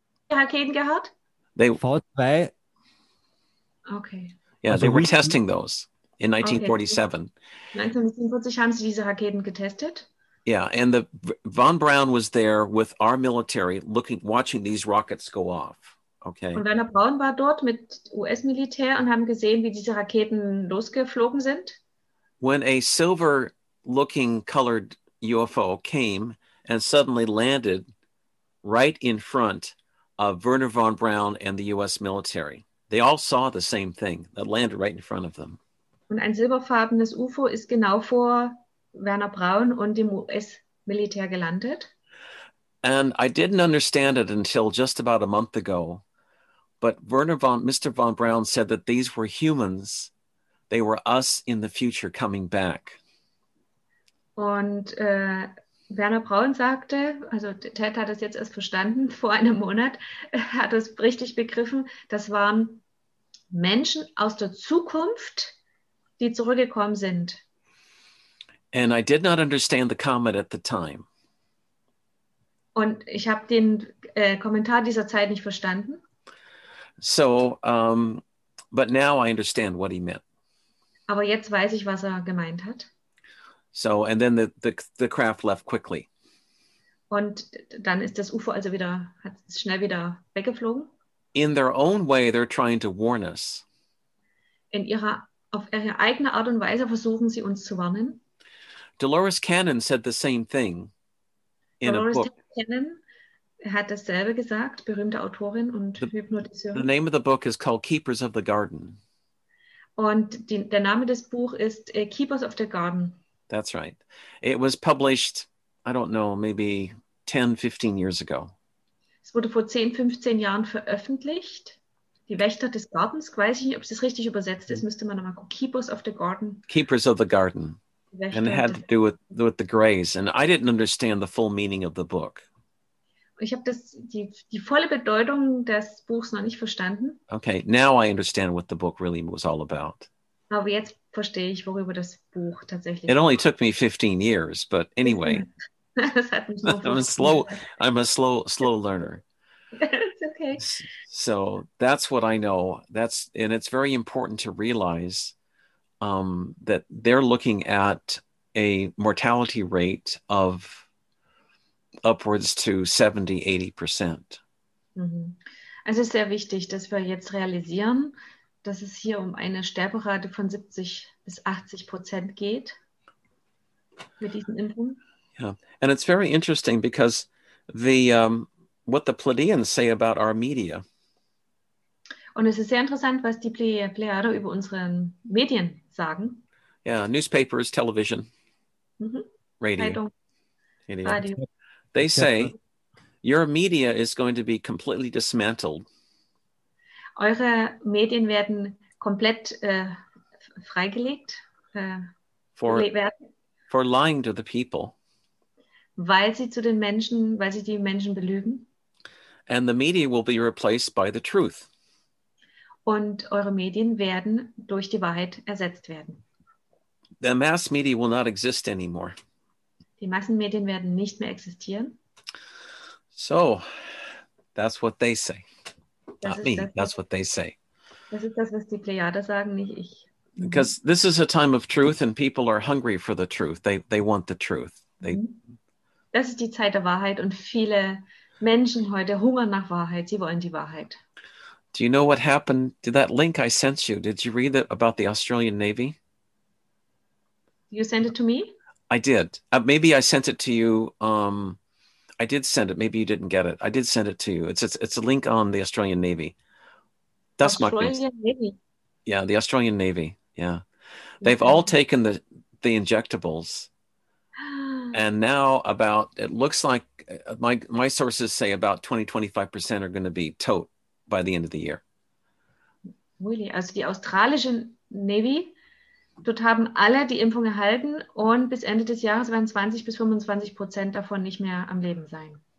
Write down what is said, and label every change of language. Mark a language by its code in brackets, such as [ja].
[de] Raketen gehabt? [en] They V2. Okay. Yeah, they were testing those in 1947. [de] Okay. 1947 haben sie diese Raketen getestet. [en] Yeah, and the von Braun was there with our military looking, watching these rockets go off. Okay. [de] Und Werner Braun war dort mit US-Militär und haben gesehen, wie diese Raketen losgeflogen sind. [en] When a silver-looking colored UFO came and suddenly landed right in front of Werner von Braun and the US military. They all saw the same thing that landed right in front of them. [de] Und ein silberfarbenes UFO ist genau vor Werner Braun und dem US-Militär gelandet. [en] And I didn't understand it until just about a month ago, but Mr. von Braun said that these were humans, they were us in the future coming back. [de] Und Werner Braun sagte, also Ted hat es jetzt erst verstanden, vor einem Monat hat es richtig begriffen, das waren Menschen aus der Zukunft, die zurückgekommen sind. [en] And I did not understand the comment at the time. [de] Und ich habe den Kommentar dieser Zeit nicht verstanden. [en] So, but now I understand what he meant. [de] Aber jetzt weiß ich, was er gemeint hat. [en] So, and then the craft left quickly. [de] Und dann ist das UFO also wieder, hat es schnell wieder weggeflogen. [en] In their own way, they're trying to warn us. [de] Auf ihre eigene Art und Weise versuchen sie uns zu warnen. [en] Dolores Cannon said the same thing in Dolores a book. [de] Dolores Cannon hat dasselbe gesagt, berühmte Autorin und Hypnotiseurin. [en] The name of the book is called Keepers of the Garden. [de] Und der Name des Buch ist Keepers of the Garden. [en] That's right. It was published, I don't know, maybe 10, 15 years ago. [de] Es wurde vor 10, 15 Jahren veröffentlicht. Die Wächter des Gartens, weiß ich nicht, ob es das richtig übersetzt ist, müsste man nochmal gucken. [en] Keepers of the Garden. Keepers of the Garden. And it had to do with the Greys. And I didn't understand the full meaning of the book. [de] Ich habe die volle Bedeutung des Buchs noch nicht verstanden. [en] Okay, now I understand what the book really was all about. [de] Aber jetzt verstehe ich, worüber das Buch tatsächlich [en] It only took me 15 years, but anyway. [de] Das hat mich noch [en] I'm [de] verstanden. [en] I'm a slow learner. It's okay. So that's what I know. And it's very important to realize that they're looking at a mortality rate of upwards to 70-80%. [de] Also es ist sehr wichtig, dass wir jetzt realisieren, dass es hier um eine Sterberate von 70-80% geht mit diesen Impfungen. [en] Yeah, and it's very interesting because what the Pleiadians say about our media. [de] Und es ist sehr interessant, was die Pleiader über unsere Medien sagen. [en] Yeah, newspapers, television, radio. Radio. They say your media is going to be completely dismantled. [de] Eure Medien werden komplett freigelegt. [en] For lying to the people. [de] Weil sie die Menschen belügen. [en] And the media will be replaced by the truth. [de] Und eure Medien werden durch die Wahrheit ersetzt werden. [en] The mass media will not exist anymore. [de] Die Massenmedien werden nicht mehr existieren. [en] So, that's what they say. Not me, that's what they say. [de] Das ist das, was die Plejade sagen, nicht ich. [en] Because this is a time of truth and people are hungry for the truth. They want the truth. [de] Das ist die Zeit der Wahrheit und viele Menschen heute hungern nach Wahrheit. Sie wollen die Wahrheit. [en] Do you know what happened? Did that link I sent you, did you read it about the Australian Navy? You sent it to me? I did. Maybe I sent it to you. I did send it. Maybe you didn't get it. I did send it to you. It's a link on the Australian Navy. Das Australian Navy. Yeah, the Australian Navy. Yeah. They've all taken the injectables. And now about, it looks like my sources say about 20-25% are going to be [de] tote [en] by the end of the year. Really? [de] Also die australischen Navy, dort haben alle die Impfung erhalten und bis Ende des Jahres werden 20-25% davon nicht mehr am Leben sein.